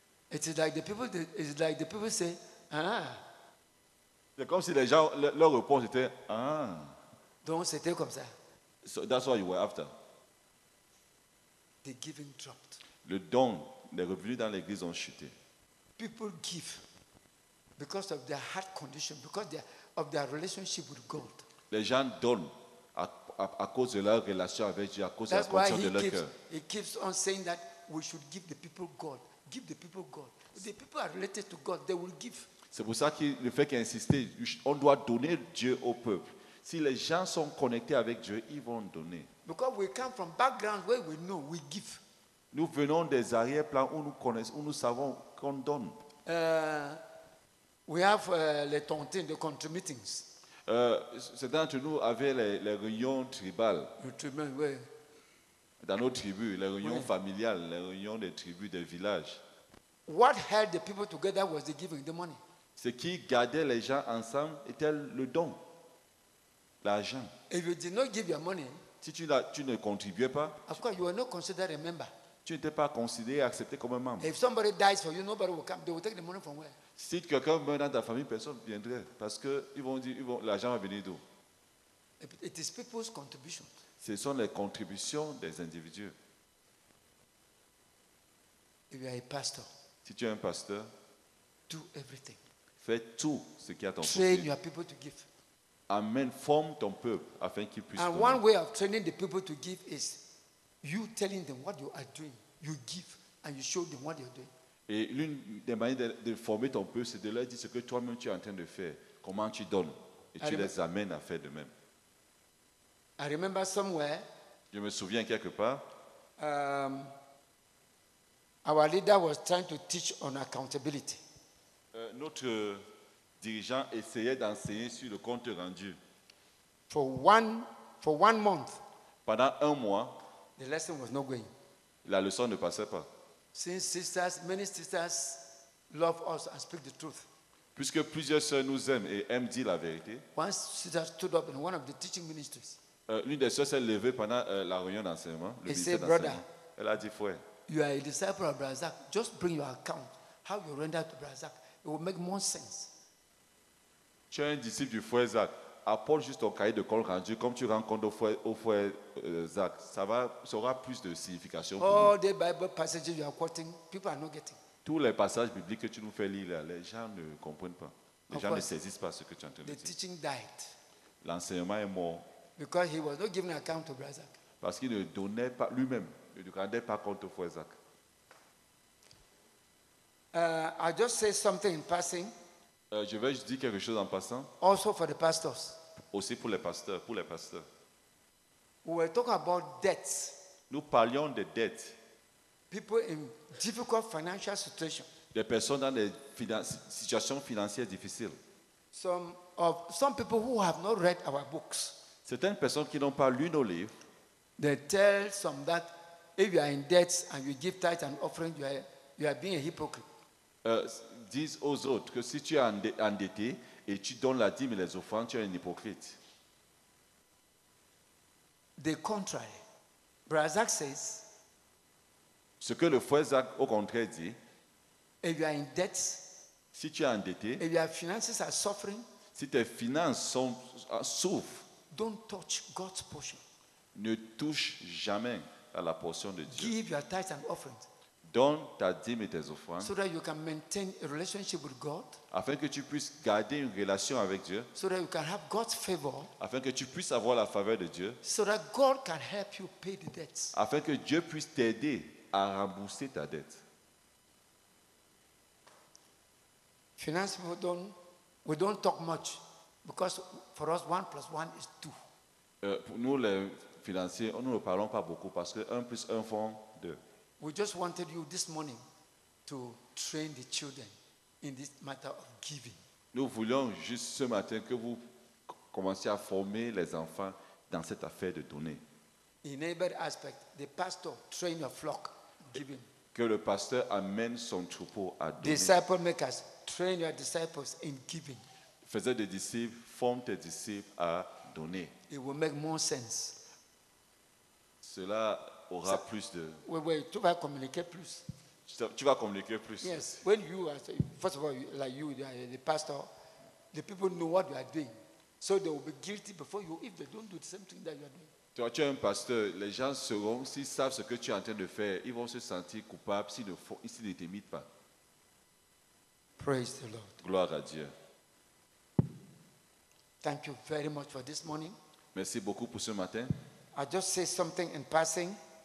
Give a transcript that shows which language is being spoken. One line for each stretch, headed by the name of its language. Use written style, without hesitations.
English: It's like the people say, ah.
French: C'est comme si les gens, leur réponse était, ah. Donc c'était comme ça.
English: So that's what you were after. The giving dropped.
French: Le don, les revenus dans l'église ont chuté.
English: People give because of their heart condition, because of their relationship with God.
French: Les gens donnent à cause de leur relation avec Dieu, à cause
English: That's
French: de la condition
English: why
French: de leur
English: keeps,
French: cœur.
English: He keeps on saying that we should give the people God. Give the people God. If the people are related to God, they will give.
French: C'est pour ça qu'il le fait qu'il insiste, on doit donner Dieu au peuple. Si les gens sont connectés avec Dieu, ils vont donner.
English: Because we come from backgrounds where we know we give.
French: Nous venons des arrière-plans où nous connaissons, où nous savons qu'on donne.
English: We have
French: les tontines,
English: the country meetings.
French: Certains d'entre nous avaient les réunions tribales. Le tribun, oui. Dans nos tribus, les réunions familiales, les réunions des tribus, des villages.
English: What held the people together was the giving, the money.
French: Ce qui gardait les gens ensemble était le don, l'argent.
English: If you did not give your money,
French: si tu ne contribuais pas,
English: of course, you were not considered a member.
French: Tu n'étais pas considéré, accepté comme un membre.
English: If somebody dies for you, nobody will come. They will take the money from where?
French: Si quelqu'un meurt dans ta famille, personne viendrait parce que ils vont dire, l'argent va venir d'où?
English: It is people's contributions.
French: Ce sont les contributions des individus.
English: If you are a pastor,
French: si tu es un pasteur,
English: do everything.
French: Fais tout ce qui est à ton
English: possible. Train your people to give.
French: Amen. Forme ton peuple afin qu'il puisse.
English: And one way of training the people to give is you telling them what you are doing. You give and you show them what you are doing.
French: Et l'une des manières de former ton peuple, c'est de leur dire ce que toi-même tu es en train de faire, comment tu donnes, et tu les amènes à faire de même.
English: I remember somewhere.
French: Je me souviens quelque part.
English: Our leader was trying to teach on accountability.
French: Notre dirigeant essayait d'enseigner sur le compte rendu.
English: For one month.
French: Pendant un mois.
English: The lesson was not going.
French: La leçon ne passait pas.
English: Since sisters, many sisters love us and speak the truth.
French: Puisque plusieurs sœurs nous aiment et aiment dire la vérité.
English: One sister stood up in one of the teaching ministries.
French: L'une des sœurs s'est levée pendant la réunion d'enseignement. Le ministère d'enseignement.
English: Brother,
French: elle a dit, frère.
English: You are a disciple of Brazak. Just bring your account. How you render to Brazak. It will make more sense.
French: Tu es un disciple du frère Zach. Apporte juste ton cahier de compte rendu comme tu rends compte au frère Zach. Ça aura plus de signification pour nous.
English: All the Bible passages you are quoting, people are not getting.
French: Tous les passages bibliques que tu nous fais lire, les gens ne comprennent pas. Les gens ne saisissent pas ce que tu es en train de dire.
English: The teaching died.
French: L'enseignement est mort.
English: Because he was not giving account to Brother Zach.
French: Parce qu'il ne donnait pas lui-même. Il ne rendait pas compte au frère Zach.
English: I just say something in passing.
French: Je vais juste dire quelque chose en passant.
English: Also for the pastors.
French: Aussi pour les pasteurs, pour les pasteurs.
English: We were talking about debts.
French: Nous parlions de dettes.
English: People in difficult financial situations.
French: Des personnes dans des situations financières difficiles.
English: Some people who have not read our books.
French: Certaines personnes qui n'ont pas lu nos livres.
English: They tell some that if you are in debts and you give tithes and offering, you are being a hypocrite.
French: Disent aux autres que si tu es endetté et tu donnes la dîme et les offrandes, tu es un hypocrite.
English: The contrary. Brazak says,
French: ce que le frère Zach au contraire dit,
English: if you are in debt,
French: si tu es endetté,
English: if your finances are suffering,
French: si tes finances souffrent,
English: don't touch God's portion.
French: Ne touche jamais à la portion de Dieu.
English: Give your tithes and offerings.
French: Donne ta dîme et tes offrandes.
English: So that you can maintain a relationship with God.
French: Afin que tu puisses garder une relation avec Dieu.
English: So that you can have God's favor.
French: Afin que tu puisses avoir la faveur de Dieu.
English: So that God can help you pay the debts.
French: Afin que Dieu puisse t'aider à rembourser ta dette.
English: Finances, we don't talk much because for us 1 + 1 = 2.
French: Pour nous les financiers, nous ne parlons pas beaucoup parce que 1 + 1 font 2.
English: We just wanted you this morning to train the children in this matter of giving.
French: Nous voulions juste ce matin que vous commenciez à former les enfants dans cette affaire de donner.
English: In every aspect, the pastor train your flock giving.
French: Que le pasteur amène son troupeau à donner.
English: Disciple makers, train your disciples in giving.
French: Faisais des disciples, forme tes disciples à donner.
English: It will make more sense.
French: Cela aura ça, plus de. Oui, tu vas communiquer plus. Tu vas communiquer plus.
English: Yes. When you are, first of all, you are the pastor, the people know what you are doing, so they will be guilty before you if they don't do the same thing that you are doing.
French: Toi, tu es un pasteur. Les gens seront, s'ils savent ce que tu es en train de faire, ils vont se sentir coupables s'ils ne t'imitent pas.
English: Praise the Lord.
French: Gloire à Dieu.
English: Thank you very much for this morning.
French: Merci beaucoup pour ce matin.
English: I just say something in passing.